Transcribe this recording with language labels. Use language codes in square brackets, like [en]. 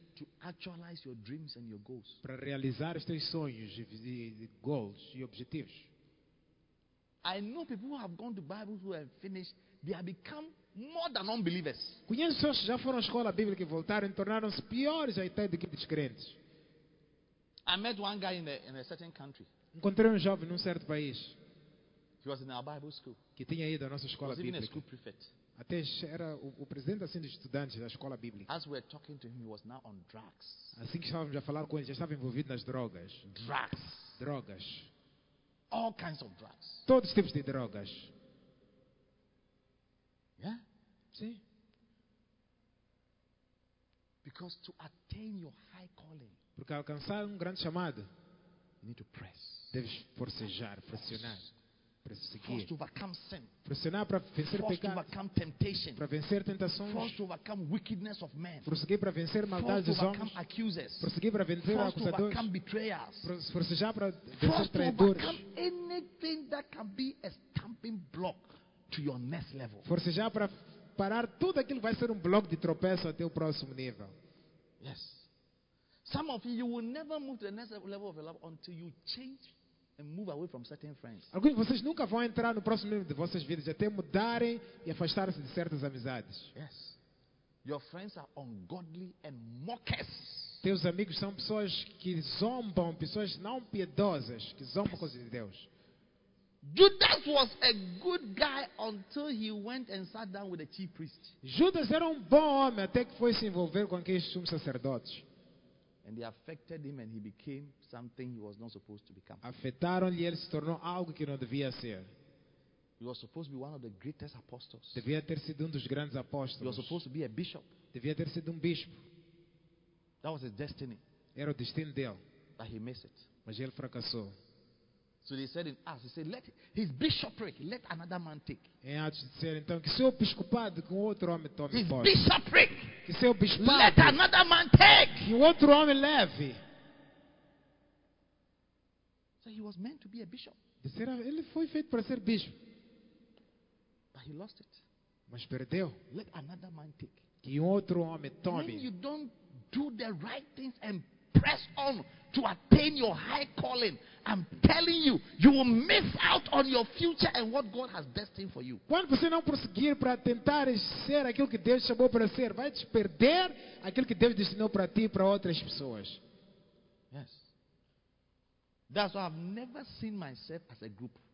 [en] To actualize your dreams and your goals. [pt] Para realizar os teus sonhos e goals e objetivos. [en] I know people who have gone to Bible school and finished, they have become more than unbelievers. [pt] Conheço pessoas que já foram à escola bíblica e voltaram e tornaram-se piores até do que descrentes. [en] I met one guy in a certain country. [pt] Encontrei jovem num certo país. [en] He was in our Bible school. [pt] Que tinha ido à nossa escola [en] he was [pt] bíblica. [en] A school prefect. [pt] Até era o presidente assim dos estudantes da escola bíblica. [en] As we were talking to him, he was now on drugs. [pt] Assim que estávamos a falar com ele, já estava envolvido nas drogas. [en] Drugs. [pt] Drogas. [en] All kinds of drugs. [pt] Todos os tipos de drogas. [en] Yeah? [pt] Sim. [en] Because to attain your high calling. [pt] Porque alcançar um grande chamado. [en] Need to press. [pt] Deves forcejar, pressionar, perseguir. [en] Force to overcome sin. [pt] Pressionar para vencer [en] force [pt] pecado. [en] To overcome temptation. [pt] Para vencer tentações. [en] Force to overcome wickedness of men. [pt] Prosseguir para vencer maldade dos homens. [en] Force to overcome accusers. [pt] Prosseguir para vencer [en] force [pt] acusadores. [en] Force to overcome betrayers. [pt] Forcejar para vencer [en] force [pt] traidores. [en] Force to overcome anything that can be a stumbling block to your next level. [pt] Forcejar para parar tudo aquilo que vai ser bloco de tropeço até o próximo nível. [en] Yes. Some of you will never move to the next level of your life until you change and move away from certain friends. [pt] Alguns de vocês nunca vão entrar no próximo nível de vossas vidas até mudarem e afastarem-se de certas amizades. [en] Yes. Your friends are ungodly and mockers. [pt] Teus amigos são pessoas que zombam, pessoas não piedosas, que zombam com os de Deus. [en] Judas was a good guy until he went and sat down with the chief priest. [pt] Judas era bom homem até que foi se envolver com aqueles sumos sacerdotes. [en] And they affected him and he became something he was not supposed to become. [pt] Afetaram-lhe, ele se tornou algo que não devia ser. [en] He was supposed to be one of the greatest apostles. [pt] Devia ter sido dos grandes apóstolos. [en] He was supposed to be a bishop. [pt] Devia ter sido bispo. [en] That was his destiny. [pt] Era o destino dele. [en] But he missed it. [pt] Mas ele fracassou. [en] So they said in Acts, he said, let his bishopric, let another man take. [pt] Em Atos disseram então que seu episcopado que um outro homem tome [en] his posse. Bishopric, [pt] que seu bispado, [en] let another man take. [pt] Que um outro homem leve. [en] So he was meant to be a bishop. [pt] Disseram, ele foi feito para ser bispo. [en] But he lost it. [pt] Mas perdeu. [en] Let another man take. [pt] Que um outro homem tome. [en] When you don't do the right things and press on to attain your high calling, I'm telling you, you will miss out on your future and what God has destined for you. [pt] Quando você não prosseguir para tentar ser aquilo que Deus chamou para ser, vai perder aquilo que Deus destinou para ti e para outras pessoas. [en] Yes. That's why I've never seen myself as a group.